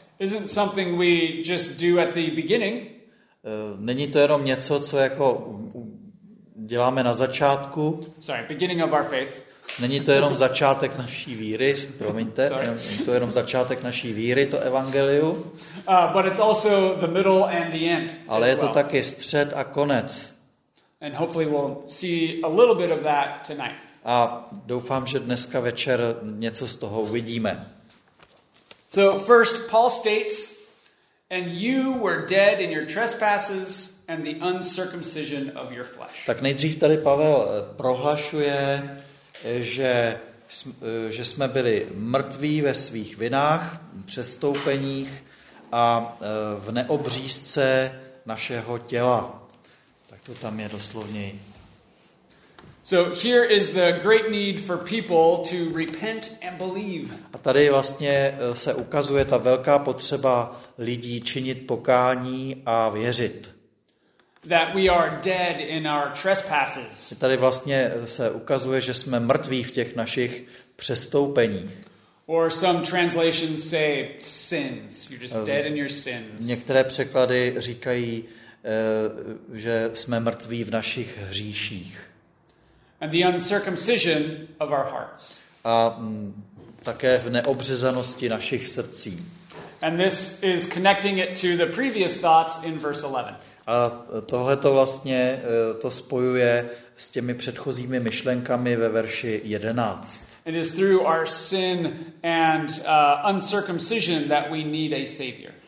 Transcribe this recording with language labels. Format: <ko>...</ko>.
<en>isn't something we just do at the beginning.</en> <cs>Není to jenom něco, co jako děláme na začátku.</cs> <en>Sorry, beginning of our faith.</en> <cs>Není to jenom začátek naší víry, promiňte, to je jenom začátek naší víry, to evangeliu.</cs> <en>But it's also the middle and the end.</en> <cs>Ale je to</cs> <en>well.</en> <cs>Taky střed a konec.</cs> <en>And hopefully we'll see a little bit of that tonight.</en> <cs>A doufám, že dneska večer něco z toho uvidíme.</cs> <en>So first Paul states, and you were dead in your trespasses and the uncircumcision of your flesh.</en> <cs>Tak nejdřív tady Pavel prohlašuje, že jsme byli mrtví ve svých vinách, přestoupeních a v neobřízce našeho těla. Tak to tam je doslovněji.</cs> <en>So here is the great need for people to repent and believe.</en> <cs>A tady vlastně se ukazuje ta velká potřeba lidí činit pokání a věřit.</cs> <en>That we are dead in our trespasses.</en> <cs>Tady vlastně se ukazuje, že jsme mrtví v těch našich přestoupeních.</cs> <en>Or some translations say sins. You're just dead in your sins.</en> <cs>Některé překlady říkají, že jsme mrtví v našich hříších.</cs> <en>and the uncircumcision of our hearts.</en> <cs>A také v neobřezanosti našich srdcí.</cs> <en>And this is connecting it to the previous thoughts in verse 11.</en> <cs>A tohle to vlastně to spojuje s těmi předchozími myšlenkami ve verši 11.</cs> <en>It is through our sin and uncircumcision that we need a savior.</en>